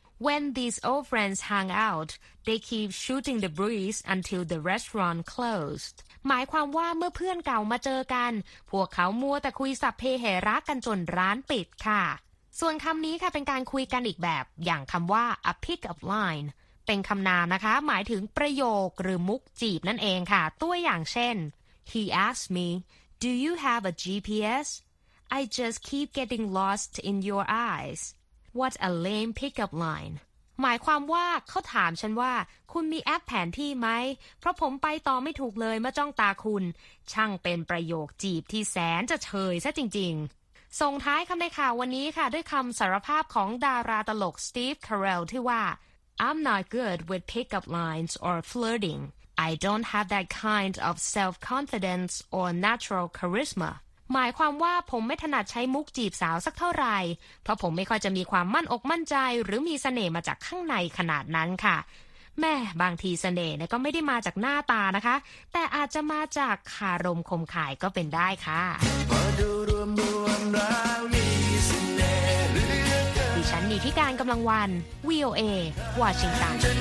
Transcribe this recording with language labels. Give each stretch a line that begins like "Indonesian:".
English: when these old friends hang out they keep shooting the breeze until the restaurant closed
Thai: หมายความว่าเมื่อเพื่อนเก่ามาเจอกันพวกเขามัวแต่คุยสัพเพเหระกันจนร้านปิดค่ะ ส่วนคำนี้ค่ะเป็นการคุยกันอีกแบบอย่างคำว่า a pickup lineเป็นคำนามนะคะหมายถึงประโยคหรือมุกจีบนั่นเองค่ะตัวอย่างเช่น
English: he asked meDo you have a GPS? I just keep getting lost in your eyes. What a lame pickup line.
Thai: หมายความว่าเขาถามฉันว่าคุณมีแอปแผนที่ไหมเพราะผมไปต่อไม่ถูกเลยเมื่อจ้องตาคุณช่างเป็นประโยคจีบที่แสนจะเชยซะจริง ส่งท้ายคำในข่าววันนี้ค่ะด้วยคำสารภาพของดาราตลกสตีฟคาร์เรลที่ว่า
English: I'm not good with pickup lines or flirting. I don't have that kind of self-confidence or natural charisma.
Thai: หมายความว่าผมไม่ถนัดใช้มุกจีบสาวสักเท่าไหร่เพราะผมไม่ค่อยจะมีความมั่นอกมั่นใจหรือมีเสน่ห์มาจากข้างในขนาดนั้นค่ะแม่บางทีเสน่ห์เนี่ยก็ไม่ได้มาจากหน้าตานะคะแต่อาจจะมาจากคารมคมขายก็เป็นได้ค่ะดิฉันนีธิการกำลังวัน VOA วอชิงตัน